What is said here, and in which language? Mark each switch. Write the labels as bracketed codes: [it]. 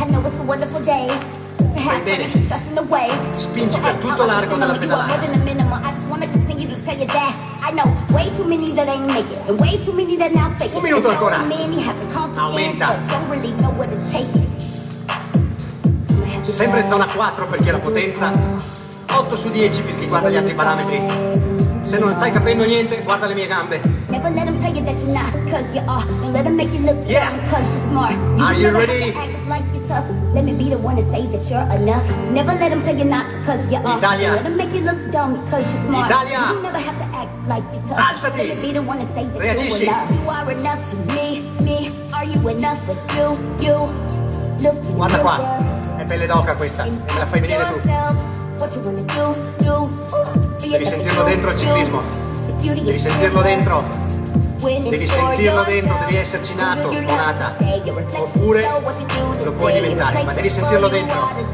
[it] Stai bene. Spingi per tutto l'arco della pedalata. [en] I know way too many that ain't make it, and way too many that now fake it. [it] Un minuto ancora. [en] So many have the confidence, but don't really know where to take it. [it] Sempre zona 4 perché la potenza. 8 su 10 per chi guarda gli altri parametri. Se non stai capendo niente, guarda le mie gambe. [en] Never let them tell you that you're not, cause you are. Don't let them make you look dumb, cause you're smart. Are you ready? Let me be the one to say that you're enough. Never let them tell you not, cause you're off. Italia. Let them make you look dumb, cause you're smart. [it] Italia. [en] You never have to act like you're tough. [it] Alzati. [en] Let me be the one to say that [it] Reagisci. [en] You're enough. You are enough for me, me. Are you enough for you, you? [it] Look, guarda qua, girl. È pelle d'oca questa. E me la fai venire yourself. Tu. [en] What you wanna do, do. [it] Devi sentirlo dentro il ciclismo. Devi sentirlo dentro. Devi sentirlo dentro, devi esserci nato o nata, oppure lo puoi diventare, ma devi sentirlo dentro.